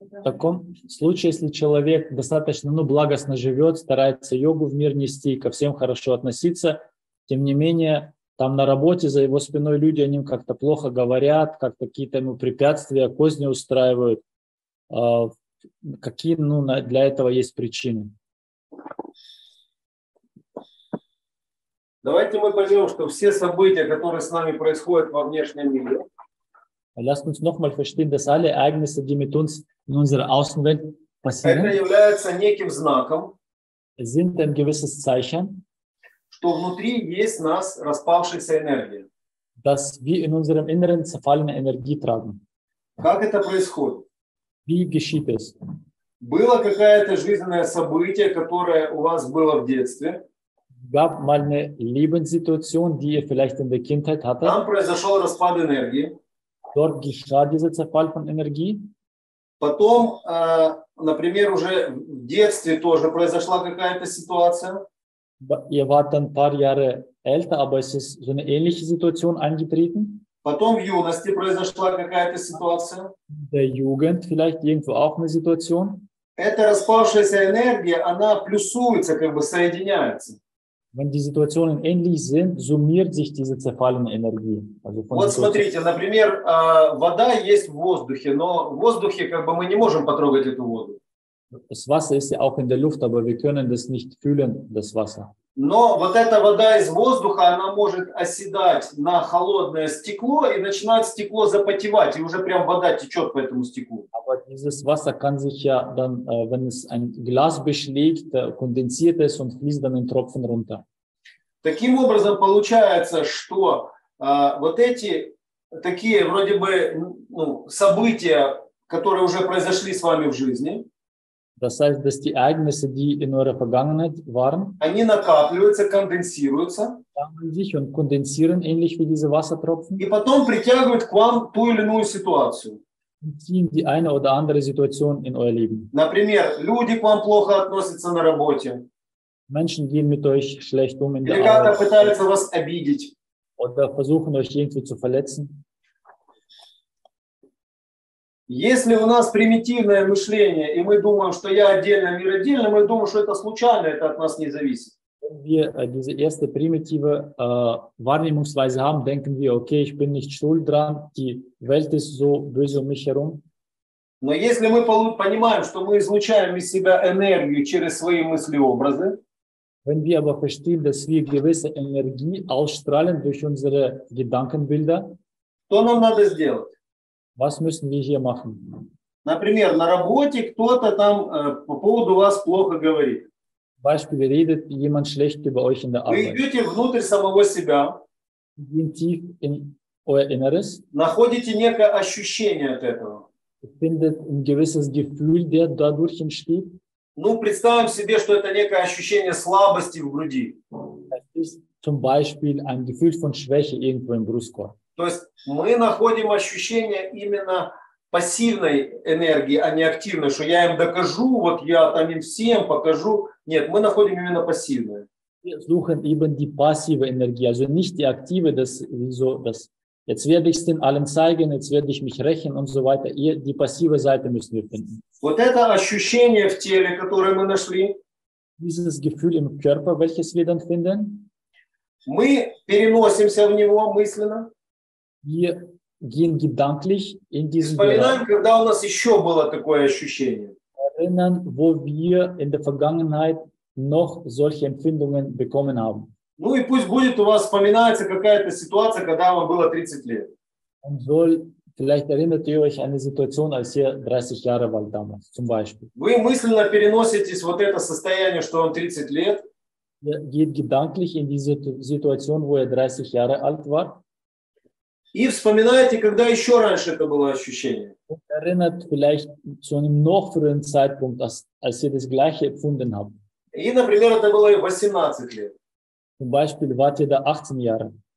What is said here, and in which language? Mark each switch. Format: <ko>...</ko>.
<ru>В таком случае, если человек достаточно, ну, благостно живет, старается йогу в мир нести, ко всем хорошо относиться, тем не менее, там на работе за его спиной люди о нем как-то плохо говорят, как-то какие-то ему препятствия, козни устраивают. Какие, ну, для этого есть причины? Давайте мы поймем, что все события, которые с нами происходят во внешнем мире,</ru> <de>Lasst uns nochmal verstehen, dass alle Ereignisse, die mit uns in unserer Außenwelt passieren,</de> <ru>это является неким знаком,</ru> <de>sind ein gewisses Zeichen,</de> <ru>что внутри есть нас распавшаяся энергия.</ru> <de>Dass wir in unserem Inneren zerfallene Energie tragen.</de> <ru>Как это происходит?</ru> <de>Wie geschieht es?</de> <ru>Было какое-то жизненное событие, которое у вас было в детстве.</ru> <de>Gab mal eine Lebenssituation, die ihr vielleicht in der Kindheit hattet.</de> <ru>Там произошел распад энергии.</ru> <de>Dort geschah dieser Zerfall von Energie.</de> <ru>Потом, например, уже в детстве тоже произошла какая-то ситуация.</ru> <de>Ihr wart dann ein paar Jahre älter, aber es ist so eine ähnliche Situation eingetreten.</de> <ru>Потом в юности произошла какая-то ситуация.</ru> <de>In der Jugend vielleicht irgendwo auch eine Situation.</de> <ru>Эта распавшаяся энергия, она плюсуется, как бы соединяется.</ru> <de>Wenn die Situationen ähnlich sind, summiert sich diese zerfallene Energie. Also von</de> <ru>вот</ru> <de>Situation.</de> <ru>Смотрите, например, вода есть в воздухе, но в воздухе как бы мы не можем потрогать эту воду.</ru> <de>Das Wasser ist ja auch in der Luft, aber wir können das nicht fühlen, das Wasser.</de> <ru>Но вот эта вода из воздуха, она может оседать на холодное стекло и начинает стекло запотевать, и уже прям вода течет по этому стеклу.</ru> <de>Aber dieses Wasser kann sich ja dann, wenn es ein Glas beschlägt, kondensiert es und fließt dann in Tropfen runter.</de> <ru>Таким образом получается, что вот эти такие вроде бы события, которые уже произошли с вами в жизни,</ru> <de>Das heißt, dass die Ereignisse, die in eurer Vergangenheit waren,</de> <ru>они накапливаются, конденсируются,</ru> <de>sammeln sich und kondensieren, ähnlich wie diese Wassertropfen,</de> <ru>и потом притягивают к вам ту или иную ситуацию.</ru> <de>Und ziehen die eine oder andere Situation in euer Leben.</de> <ru>Например, люди к вам плохо относятся на работе.</ru> <de>Menschen gehen mit euch schlecht um in</de> <ru>или</ru> <de>der Arbeit.</de> <ru>Пытаются вас обидеть.</ru> <de>Oder versuchen euch irgendwie zu verletzen.</de> <ru>Если у нас примитивное мышление, и мы думаем, что я отдельно, мир отдельно, мы думаем, что это случайно, это от нас не зависит.</ru> <de>Diese erste primitive Wahrnehmungsweise haben, denken wir, okay, ich bin nicht schuld dran, die Welt ist so böse um mich herum.</de> <ru>Но если мы понимаем, что мы излучаем из себя энергию через свои мысли, образы,</ru> <de>wenn wir aber verstehen, dass wir gewisse Energie ausstrahlen durch unsere Gedankenbilder,</de> <ru>то нам надо сделать.</ru> <de>Was müssen wir hier machen?</de> <ru>Например, на работе кто-то там по поводу вас плохо говорит.</ru> <de>Beispiel, redet jemand schlecht über euch in der Arbeit.</de> <ru>Вы идете внутрь самого себя.</ru> <de>Gehen tief in euer Inneres.</de> <ru>Находите некое ощущение от этого.</ru> <de>Findet ein gewisses Gefühl, der dadurch entsteht.</de> <ru>Ну, представим себе, что это некое ощущение слабости в груди.</ru> <de>Das ist zum Beispiel ein Gefühl von Schwäche irgendwo im Brustkorb.</de> <ru>То есть мы находим ощущение именно пассивной энергии, а не активной, что я им докажу, вот я там им всем покажу. Нет, мы находим именно пассивное.</ru> <de>Wir suchen eben die passive Energie, also nicht die aktive, das jetzt werde ich es den allen zeigen, jetzt werde ich mich rächen und so weiter. Die passive Seite müssen wir finden.</de> <ru>Вот это ощущение в теле, которое мы нашли.</ru> <de>Dieses Gefühl im Körper, welches wir dann finden.</de> <ru>Мы переносимся в него мысленно.</ru> <de>Wir gehen gedanklich in diesen Bereich.</de> <ru>Когда у нас еще было такое ощущение.</ru> <de>Erinnern, wo wir in der Vergangenheit noch solche Empfindungen bekommen haben.</de> <ru>Ну и пусть будет у вас вспоминается какая-то ситуация, когда вам было 30 лет.</ru> <de>Und soll, vielleicht erinnert ihr euch an eine Situation, als ihr 30 Jahre wart damals, zum Beispiel.</de> <ru>Вы мысленно переноситесь вот это состояние, что вам 30 лет.</ru> <de>Ihr geht gedanklich in diese Situation, wo ihr 30 Jahre alt wart.</de> <ru>И вспоминаете, когда еще раньше это было ощущение.</ru> <de>Erinnert vielleicht zu einem noch früheren Zeitpunkt, als ihr das gleiche empfunden habt.</de> <ru>И, например, это было 18 лет.</ru> <de>Zum Beispiel wart ihr da 18 Jahre.</de>